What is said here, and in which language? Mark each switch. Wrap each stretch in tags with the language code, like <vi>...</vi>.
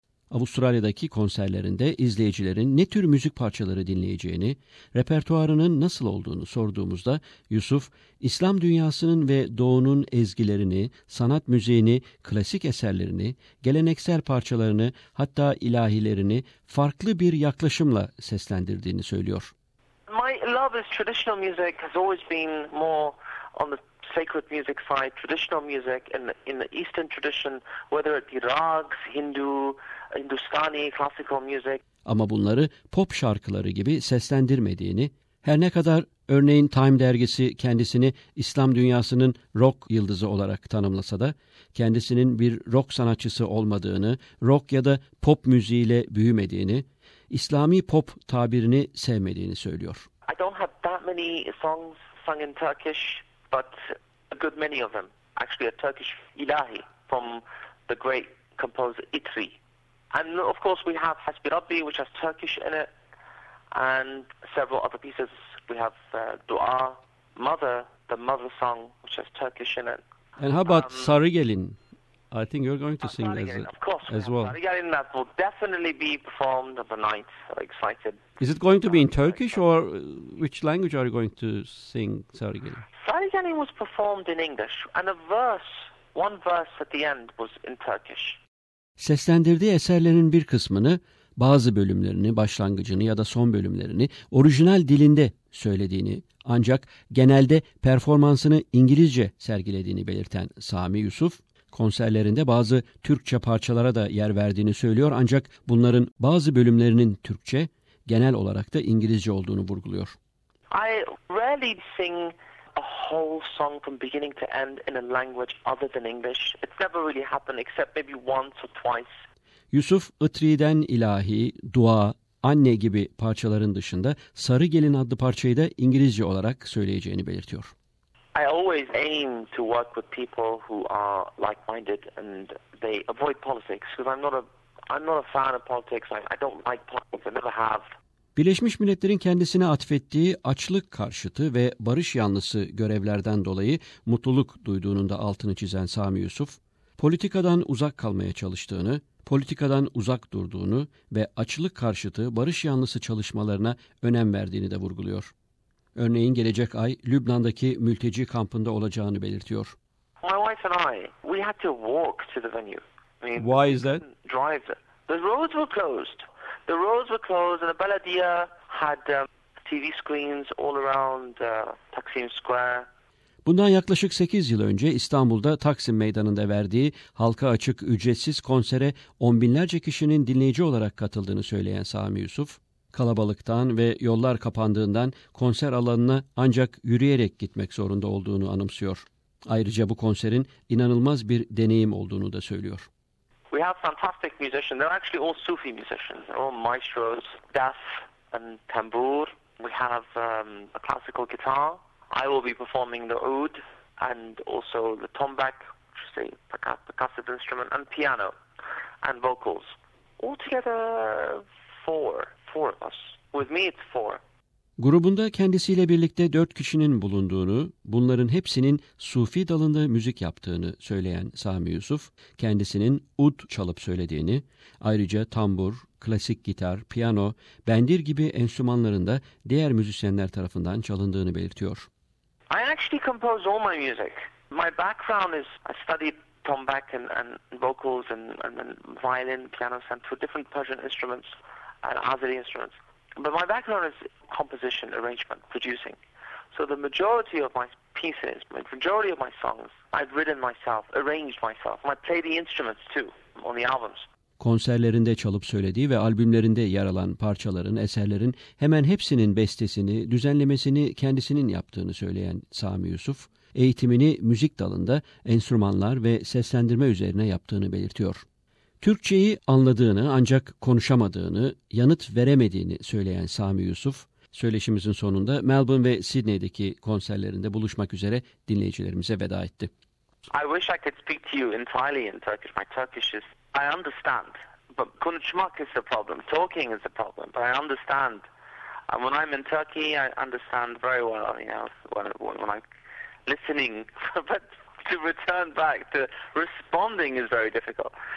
<tr>Avustralya'daki konserlerinde izleyicilerin ne tür müzik parçaları dinleyeceğini, repertuarının nasıl olduğunu sorduğumuzda Yusuf, İslam dünyasının ve doğunun ezgilerini, sanat müziğini, klasik eserlerini, geleneksel parçalarını, hatta ilahilerini farklı bir yaklaşımla seslendirdiğini söylüyor.</tr> <en>My love is traditional music has always been more on the sacred music side, traditional music in the Eastern tradition, whether it be rags, Hindu, Hindustani, classical music.</en> <tr>Ama bunları pop şarkıları gibi seslendirmediğini, her ne kadar örneğin Time dergisi kendisini İslam dünyasının rock yıldızı olarak tanımlasa da, kendisinin bir rock sanatçısı olmadığını, rock ya da pop müziğiyle büyümediğini, İslami pop tabirini sevmediğini söylüyor.</tr> <en>I don't have that many songs sung in Turkish, but a good many of them. Actually a Turkish ilahi from the great composer Itri. And of course we have Hasbi Rabbi, which has Turkish in it, and several other pieces. We have Dua, Mother, the Mother Song, which has Turkish in it. And how about Sarı Gelin? I think you're going to sing as well. Of course, as well. Sarı Gelin, that will definitely be performed on the night. I'm excited. Is it going to be in Turkish, or which language are you going to sing Sarı Gelin? Sarı Gelin was performed in English, and one verse at the end was in Turkish.</en> <tr>Seslendirdiği eserlerin bir kısmını, bazı bölümlerini, başlangıcını ya da son bölümlerini orijinal dilinde söylediğini ancak genelde performansını İngilizce sergilediğini belirten Sami Yusuf, konserlerinde bazı Türkçe parçalara da yer verdiğini söylüyor ancak bunların bazı bölümlerinin Türkçe, genel olarak da İngilizce olduğunu vurguluyor.</tr> <en>I rarely sing a whole song from beginning to end in a language other than English. It's never really happened except maybe once or twice.</en> <tr>Yusuf, Itri'den ilahi, dua, anne gibi parçaların dışında Sarı Gelin adlı parçayı da İngilizce olarak söyleyeceğini belirtiyor.</tr> <en>I always aim to work with people who are like-minded and they avoid politics because I'm not a fan of politics. I don't like politics. I never have.</en> <tr>Birleşmiş Milletler'in kendisine atfettiği açlık karşıtı ve barış yanlısı görevlerden dolayı mutluluk duyduğunun da altını çizen Sami Yusuf, politikadan uzak kalmaya çalıştığını, politikadan uzak durduğunu ve açlık karşıtı barış yanlısı çalışmalarına önem verdiğini de vurguluyor. Örneğin gelecek ay Lübnan'daki mülteci kampında olacağını belirtiyor.</tr> <en>My wife and I, we had to walk to the venue. Why is that? Drive. The roads were closed. The roads were closed and the belediye had TV screens all around Taksim Square.</en> <tr>Bundan yaklaşık 8 yıl önce İstanbul'da Taksim Meydanı'nda verdiği halka açık ücretsiz konsere on binlerce kişinin dinleyici olarak katıldığını söyleyen Sami Yusuf, kalabalıktan ve yollar kapandığından konser alanına ancak yürüyerek gitmek zorunda olduğunu anımsıyor. Ayrıca bu konserin inanılmaz bir deneyim olduğunu da söylüyor.</tr> <en>We have fantastic musicians. They're actually all Sufi musicians. All maestros, def and tambour. We have a classical guitar. I will be performing the oud and also the tombak, which is a percussive instrument, and piano and vocals. Altogether, four of us. With me, it's four.</en> <tr>Grubunda kendisiyle birlikte 4 kişinin bulunduğunu, bunların hepsinin Sufi dalında müzik yaptığını söyleyen Sami Yusuf, kendisinin ud çalıp söylediğini, ayrıca tambur, klasik gitar, piyano, bendir gibi enstrümanların da diğer müzisyenler tarafından çalındığını belirtiyor.</tr> <en>I actually compose all my music. My background is I studied tombak and vocals and violin, piano, and two different Persian instruments and Azeri instruments. But my background is composition, arrangement, producing. So the majority of my pieces, the majority of my songs, I've written myself, arranged myself. I play the instruments too on the albums.</en> <tr>Konserlerinde çalıp söylediği ve albümlerinde yer alan parçaların, eserlerin hemen hepsinin bestesini, düzenlemesini kendisinin yaptığını söyleyen Sami Yusuf, eğitimini müzik dalında enstrümanlar ve seslendirme üzerine yaptığını belirtiyor. Türkçeyi anladığını ancak konuşamadığını, yanıt veremediğini söyleyen Sami Yusuf, söyleşimizin sonunda Melbourne ve Sydney'deki konserlerinde buluşmak üzere dinleyicilerimize veda etti.</tr> <en>I wish I could speak to you entirely in Turkish. My Turkish is, I understand, but konuşmak is the problem, talking is the problem, but I understand. And when I'm in Turkey, I understand very well, you know, when I'm listening, but to return back to responding is very difficult.</en>